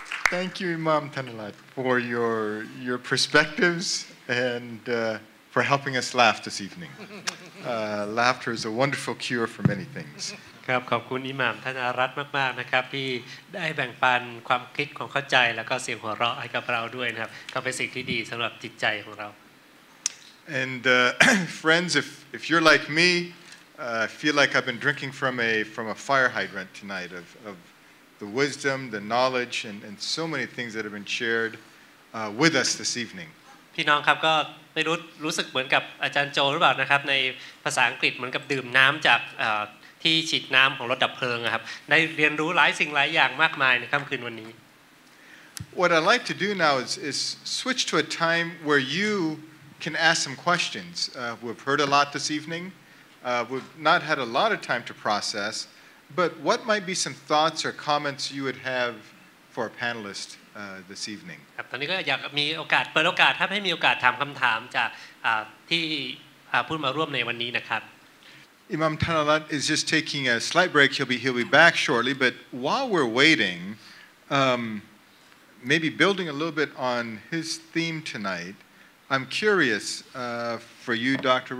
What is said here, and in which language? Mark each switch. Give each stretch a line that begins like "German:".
English: Thank you Imam Thanalat for your perspectives and for helping us laugh this evening laughter is a wonderful cure for many things
Thai: ครับขอบคุณอิหม่ามท่านอารัตมากๆนะครับที่ได้แบ่งปันความคิดความเข้าใจแล้วก็เสียงหัวเราะให้กับเราด้วยนะครับก็เป็นสิ่งที่ดีสำหรับจิตใจของเรา
English: and friends if you're like me feel like I've been drinking from a fire hydrant tonight of the wisdom the knowledge and so many things that have been sharedwith us this evening
Thai: พี่น้องครับก็ไม่รู้สึกเหมือนกับอาจารย์โจหรือเปล่านะครับในภาษาอังกฤษเหมือนกับดื่มน้ําจากที่ฉีดน้ําของรถดับเพลิงครับได้เรียนรู้หลายสิ่งหลายอย่างมากมายในค่ําคืนวันนี้
English: What I'd like to do now is switch to a time where you can ask some questions. We've heard a lot this evening. We've not had a lot of time to process, But what might be some thoughts or comments you would have for a panelist this evening?
Thai: ครับตอนนี้ก็อยากมีโอกาสเปิดโอกาสให้มีโอกาสถามคําถามจากที่ผู้มาร่วมในวันนี้นะครับ
English: Imam Thanalat is just taking a slight break. He'll be back shortly, but while we're waiting, maybe building a little bit on his theme tonight, I'm curious for you, Dr.